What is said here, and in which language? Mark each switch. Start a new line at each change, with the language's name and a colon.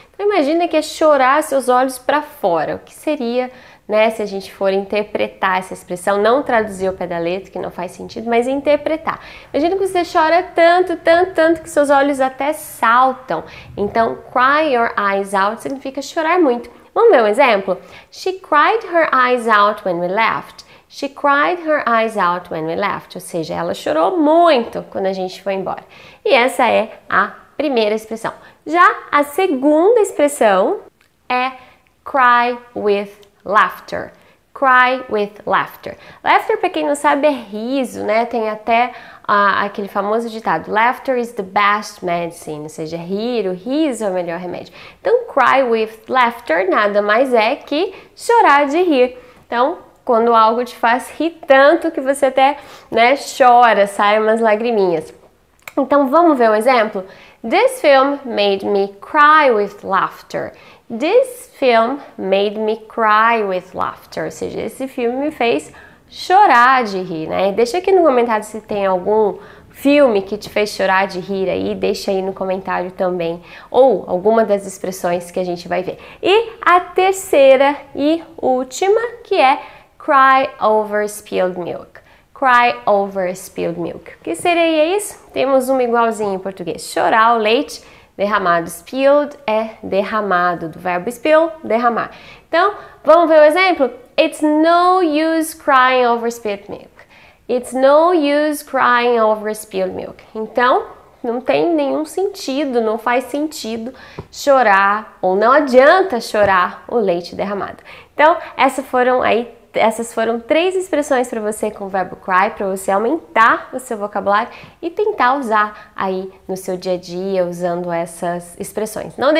Portuguese: Então, imagina que é chorar seus olhos para fora. O que seria, né, se a gente for interpretar essa expressão, não traduzir ao pé da letra, que não faz sentido, mas interpretar. Imagina que você chora tanto, tanto, tanto que seus olhos até saltam. Então,
English: cry your eyes out
Portuguese: significa chorar muito. Vamos ver um exemplo?
English: She cried her eyes out when we left. She cried her eyes out when we left.
Portuguese: Ou seja, ela chorou muito quando a gente foi embora. E essa é a primeira expressão. Já a segunda expressão é
English: cry with laughter. Cry with laughter.
Portuguese: Laughter, para quem não sabe, é riso, né? Tem até aquele famoso ditado:
English: laughter is the best medicine.
Portuguese: Ou seja, rir, o riso é o melhor remédio. Então,
English: cry with laughter
Portuguese: nada mais é que chorar de rir. Então, quando algo te faz rir tanto que você até, né, chora, sai umas lagriminhas. Então vamos ver um exemplo?
English: This film made me cry with laughter. This film made me cry with laughter.
Portuguese: Ou seja, esse filme me fez chorar de rir, né? Deixa aqui no comentário se tem algum filme que te fez chorar de rir aí, deixa aí no comentário também, ou alguma das expressões que a gente vai ver. E a terceira e última, que é
English: cry over spilled milk. Cry over spilled milk.
Portuguese: O que seria isso? Temos uma igualzinha em português. Chorar o leite derramado. Spilled é derramado, do verbo spill, derramar. Então, vamos ver o exemplo?
English: It's no use crying over spilled milk. It's no use crying over spilled milk.
Portuguese: Então, não tem nenhum sentido, não faz sentido chorar, ou não adianta chorar o leite derramado. Então, essas foram três expressões para você com o verbo cry, para você aumentar o seu vocabulário e tentar usar aí no seu dia a dia usando essas expressões.